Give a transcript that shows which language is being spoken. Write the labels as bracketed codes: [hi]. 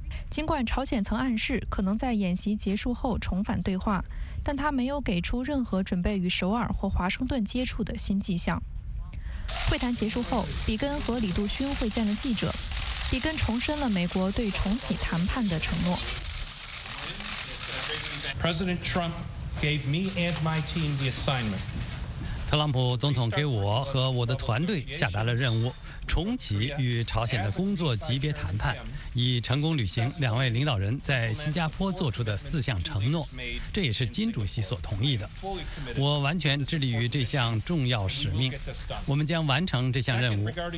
[zh] 尽管朝鲜曾暗示可能在演习结束后重返对话，但他没有给出任何准备与首尔或华盛顿接触的新迹象。会谈结束后，比根和李杜勋会见了记者。比根重申了美国对重启谈判的承诺。 [en] President Trump gave me and my team the assignment. [zh] 特朗普总统给我和我的团队下达了任务，重启与朝鲜的工作级别谈判，以成功履行两位领导人在新加坡做出的4项承诺，这也是金主席所同意的。我完全致力于这项重要使命，我们将完成这项任务。